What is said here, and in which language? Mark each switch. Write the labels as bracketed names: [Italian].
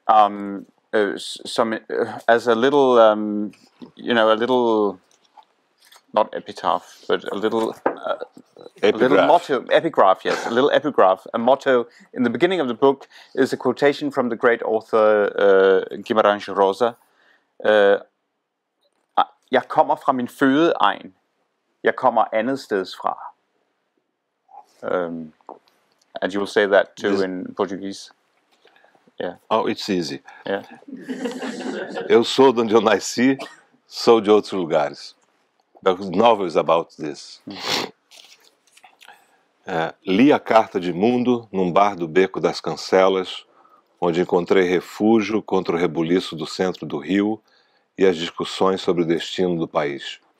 [English] As a little, a little, not epitaph, but a little, epigraph. A little motto, epigraph, yes, a little epigraph. A motto in the beginning of the book is a quotation from the great author Guimarães Rosa. [Danish] Jeg kommer fra min fødeegn. Jeg kommer andetsteds fra. [English] And you will say that too in Portuguese. Yeah. Oh, it's easy. Yeah. [Portuguese] Eu sou de onde eu nasci, sou de outros lugares. [English] The novel is about this. [Portuguese] Li a carta de mundo num bar do Beco das Cancelas, onde encontrei refúgio contra o rebuliço do centro do Rio e as discussões sobre o destino do país.